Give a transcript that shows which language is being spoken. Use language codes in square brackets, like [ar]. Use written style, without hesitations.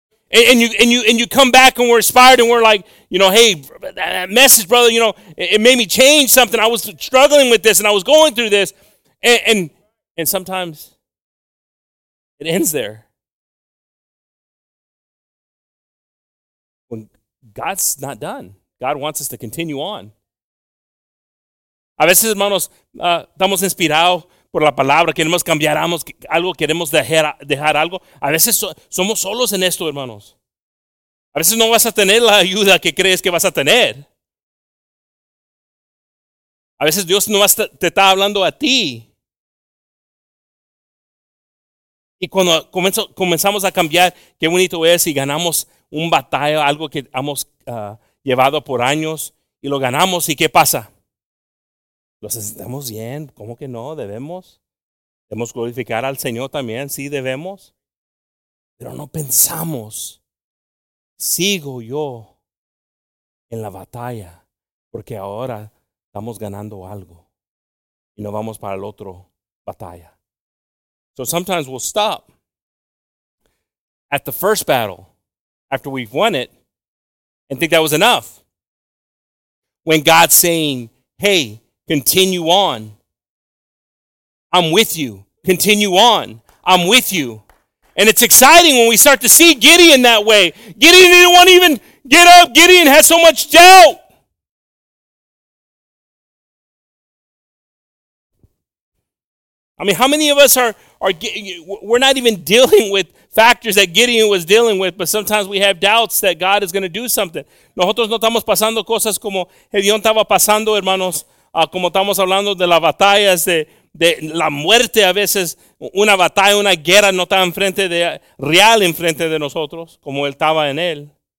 [en] And you come back and we're inspired and we're like, you know, hey, that message, brother, you know, it made me change something. I was struggling with this and I was going through this. And sometimes it ends there. When God's not done, God wants us to continue on. [es] A veces, hermanos, estamos inspirados por la palabra. Queremos cambiar algo, queremos dejar algo. A veces somos solos en esto, hermanos. A veces no vas a tener la ayuda que crees que vas a tener. A veces Dios no te está hablando a ti. Y cuando comenzamos a cambiar, qué bonito es, y ganamos un batalla, algo que hemos llevado por años, y lo ganamos, ¿y qué pasa? ¿Los estamos bien? ¿Cómo que no? ¿Debemos? ¿Debemos glorificar al Señor también? Sí, debemos. Pero no pensamos, sigo yo en la batalla, porque ahora estamos ganando algo y no vamos para el otro batalla. [en] So sometimes we'll stop at the first battle after we've won it and think that was enough. When God's saying, hey, continue on. I'm with you. Continue on. I'm with you. And it's exciting when we start to see Gideon that way. Gideon didn't want to even get up. Gideon had so much doubt. I mean, how many of us we're not even dealing with factors that Gideon was dealing with, but sometimes we have doubts that God is going to do something. [es] Nosotros no estamos pasando cosas como Gideon estaba pasando, hermanos, como estamos hablando de las batallas, de la muerte a veces, una batalla, una guerra no está enfrente de nosotros, como él estaba en él.